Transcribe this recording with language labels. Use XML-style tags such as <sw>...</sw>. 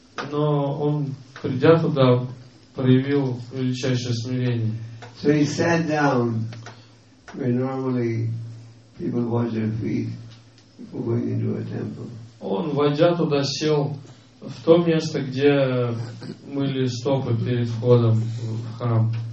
<ru>Но он, придя туда, проявил величайшее смирение.</ru> <en>So he sat down where normally people wash their feet before going into a temple.</en> <ru>Он, войдя туда, сел в то место, где мыли стопы перед входом в храм.</ru>